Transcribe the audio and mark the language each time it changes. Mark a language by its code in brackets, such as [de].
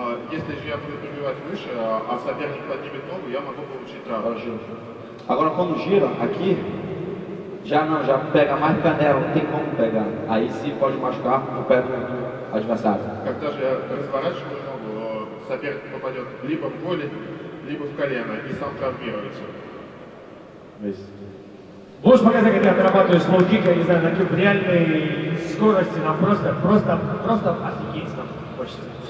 [ru] Если же я буду пробивать выше, а соперник поднимет ногу, я могу получить травму. [pt] Agora, quando gira aqui, já não, já pega mais canela, não tem como pegar. Aí sim pode machucar o pé do adversário. [ru] Когда же я разворачиваю ногу, соперник попадет либо в голень, либо в колено, и сам травмируется. Можешь показать, как ты отрабатываешь лоу-кик, я не знаю, на каких реальной скорости, нам просто офигеть там хочется.